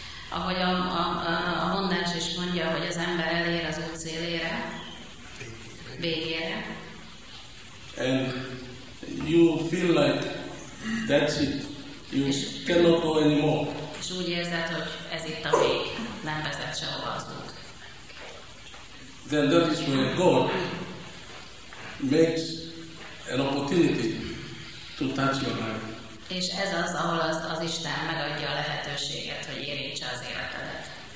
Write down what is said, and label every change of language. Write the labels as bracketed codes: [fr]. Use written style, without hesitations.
[hu] Ahogy a mondás is mondja, hogy az ember elér az út szélére, végére. [en] And you feel like that's it. You cannot go anymore. [hu] És úgy érzed, hogy ez itt a vég, nem vezet sehova az út. [en] Then that is where God makes an opportunity to touch your life. [hu] És ez az, ahol az Isten megadja a lehetőséget, hogy érintse az életedet.